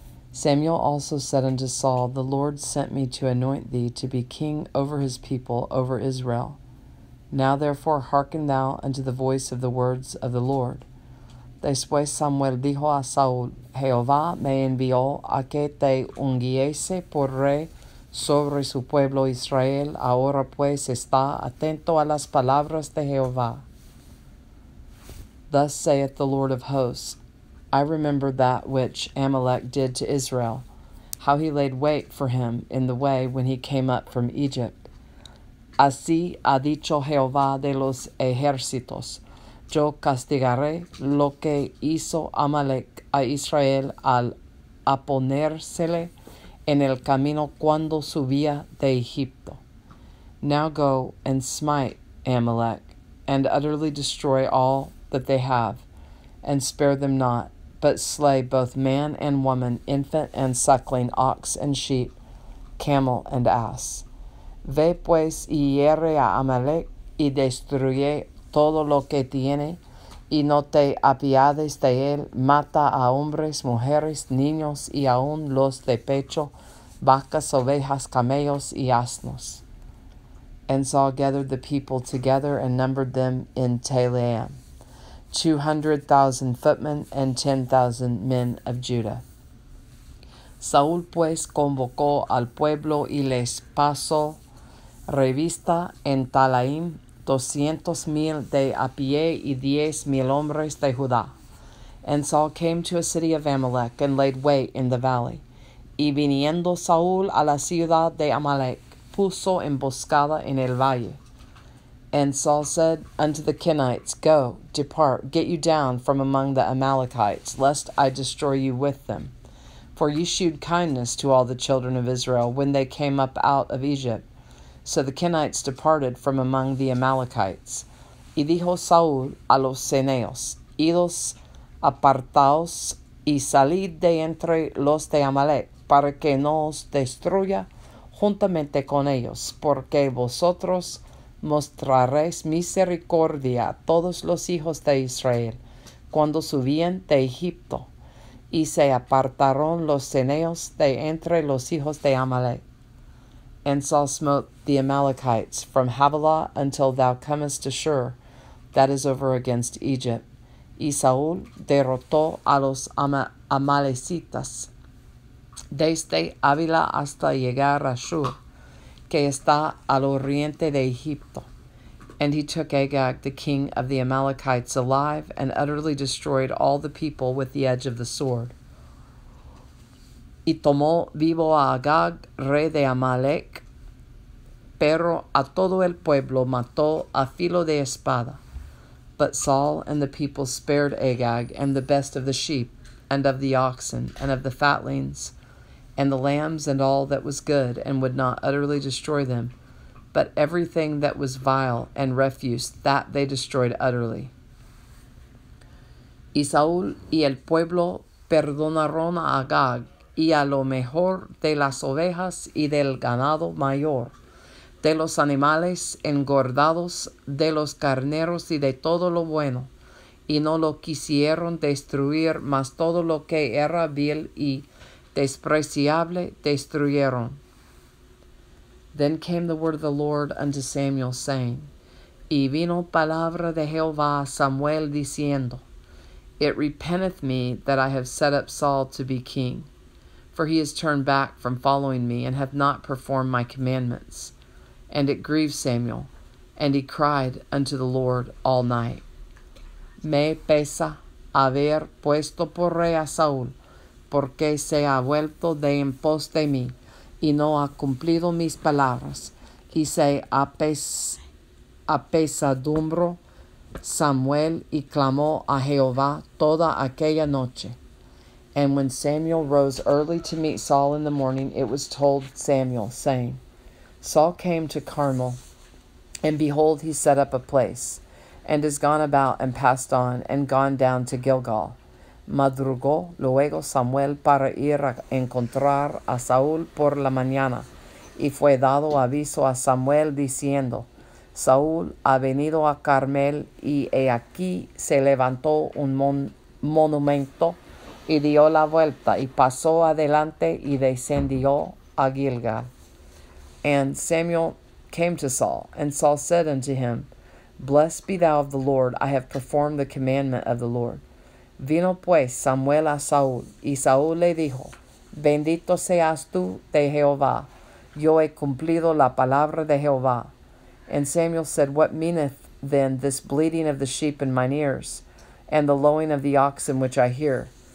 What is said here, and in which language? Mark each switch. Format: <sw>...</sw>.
<en>Samuel also said unto Saul, The Lord sent me to anoint thee to be king over his people, over Israel. Now therefore hearken thou unto the voice of the words of the Lord.</en> <es>Después Samuel dijo a Saul, Jehová me envió a que te ungiese por rey sobre su pueblo Israel. Ahora pues está atento a las palabras de Jehová.</es> <en>Thus saith the Lord of hosts, I remember that which Amalek did to Israel, how he laid wait for him in the way when he came up from Egypt.</en> <es>Así ha dicho Jehová de los ejércitos, yo castigaré lo que hizo Amalek a Israel al aponérsele en el camino cuando subía de Egipto.</es> <en>Now go and smite Amalek, and utterly destroy all that they have, and spare them not, but slay both man and woman, infant and suckling, ox and sheep, camel and ass.</en> <es>Ve pues y hiere a Amalek, y destruye todo lo que tiene, y no te apiades de él, mata a hombres, mujeres, niños, y aun los de pecho, vacas, ovejas, camellos, y asnos.</es> <en>And Saul gathered the people together and numbered them in Telaim, 200,000 footmen and 10,000 men of Judah.</en> <es>Saúl pues convocó al pueblo y les pasó revista en Telaim, 200,000 de a pie y 10,000 hombres de Judá.</es> <en>And Saul came to a city of Amalek and laid wait in the valley.</en> <es>Y viniendo Saúl a la ciudad de Amalek, puso emboscada en el valle.</es> <en>And Saul said unto the Kenites, Go, depart, get you down from among the Amalekites, lest I destroy you with them. For you shewed kindness to all the children of Israel when they came up out of Egypt. So the Kenites departed from among the Amalekites.</en> <es>Y dijo Saúl a los ceneos, Idos apartaos y salid de entre los de Amalek, para que no os destruya juntamente con ellos, porque vosotros mostraréis misericordia a todos los hijos de Israel cuando subían de Egipto. Y se apartaron los ceneos de entre los hijos de Amalek.</es> <en>And Saul smote the Amalekites from Havilah until thou comest to Shur, that is over against Egypt.</en> <es>Y Saúl derrotó a los Amalecitas desde Ávila hasta llegar a Shur, que está al oriente de Egipto.</es> <en>And he took Agag, the king of the Amalekites, alive and utterly destroyed all the people with the edge of the sword.</en> <es>Y tomó vivo a Agag, rey de Amalek, pero a todo el pueblo mató a filo de espada.</es> <en>But Saul and the people spared Agag and the best of the sheep and of the oxen and of the fatlings and the lambs and all that was good and would not utterly destroy them. But everything that was vile and refuse, that they destroyed utterly.</en> <es>Y Saúl y el pueblo perdonaron a Agag y a lo mejor de las ovejas y del ganado mayor, de los animales engordados, de los carneros y de todo lo bueno, y no lo quisieron destruir, mas todo lo que era vil y despreciable destruyeron.</es> <en>Then came the word of the Lord unto Samuel, saying,</en> <es>Y vino palabra de Jehová a Samuel, diciendo,</es> <en>It repenteth me that I have set up Saul to be king, for he has turned back from following me, and hath not performed my commandments. And it grieved Samuel, and he cried unto the Lord all night.</en> <es>Me pesa haber puesto por rey a Saúl, porque se ha vuelto de en pos de mí, y no ha cumplido mis palabras, y se apesadumbró Samuel y clamó a Jehová toda aquella noche.</es> <en>And when Samuel rose early to meet Saul in the morning, it was told Samuel, saying, Saul came to Carmel, and behold, he set up a place, and is gone about and passed on, and gone down to Gilgal.</en> <es>Madrugó luego Samuel para ir a encontrar a Saúl por la mañana, y fue dado aviso a Samuel diciendo, Saúl ha venido a Carmel y he aquí se levantó un monumento y dio la vuelta y pasó adelante y descendió a Gilgal.</es> <en>And Samuel came to Saul, and Saul said unto him, Blessed be thou of the Lord, I have performed the commandment of the Lord.</en> <es>Vino pues Samuel a Saúl, y Saúl le dijo, Bendito seas tú de Jehová, yo he cumplido la palabra de Jehová.</es> <en>And Samuel said, What meaneth then this bleating of the sheep in mine ears, and the lowing of the oxen which I hear?</en>